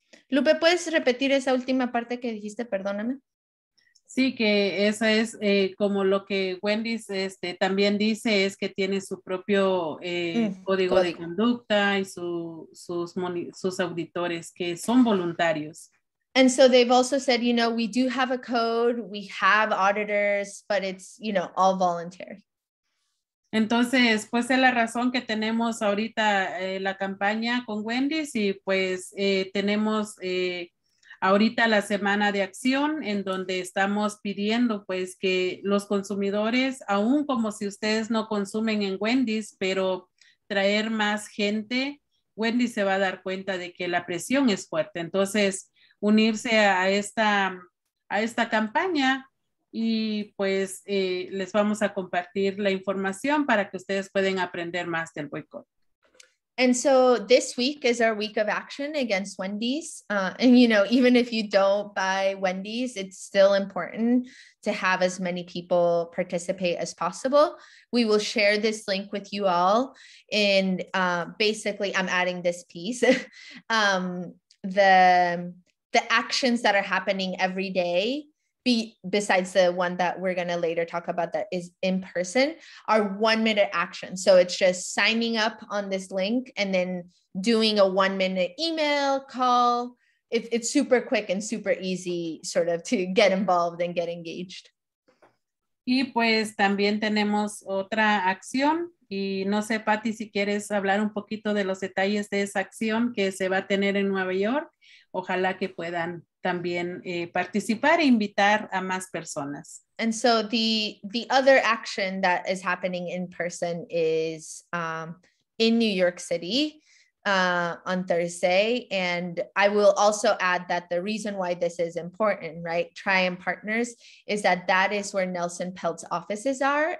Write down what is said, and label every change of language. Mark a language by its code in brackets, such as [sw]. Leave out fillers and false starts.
[es] Lupe, ¿puedes repetir esa última parte que dijiste? Perdóname. Sí, que esa es como lo que Wendy también dice, es que tiene su propio código de conducta y sus auditores que son voluntarios. [en] And so they've also said, you know, we do have a code, we have auditors, but it's, you know, all voluntary. [es] Entonces, pues es la razón que tenemos ahorita la campaña con Wendy's y pues tenemos ahorita la semana de acción en donde estamos pidiendo pues que los consumidores, aún como si ustedes no consumen en Wendy's, pero traer más gente, Wendy's se va a dar cuenta de que la presión es fuerte. Entonces, unirse a esta campaña. Y pues les vamos a compartir la información para que ustedes pueden aprender más del boicot. [en] And so this week is our week of action against Wendy's. And you know, even if you don't buy Wendy's, it's still important to have as many people participate as possible. We will share this link with you all. And basically, I'm adding this piece. the actions that are happening every day besides the one that we're going to later talk about that is in person, are 1-minute action. So it's just signing up on this link and then doing a 1-minute email call. It's super quick and super easy sort of to get involved and get engaged. [es] Y pues también tenemos otra acción. Y no sé, Patty, si quieres hablar un poquito de los detalles de esa acción que se va a tener en Nueva York. Ojalá que puedan también participar e invitar a más personas. [en] And so the other action that is happening in person is in New York City on Thursday. And I will also add that the reason why this is important, right, Trian Partners, is that that is where Nelson Peltz's offices are.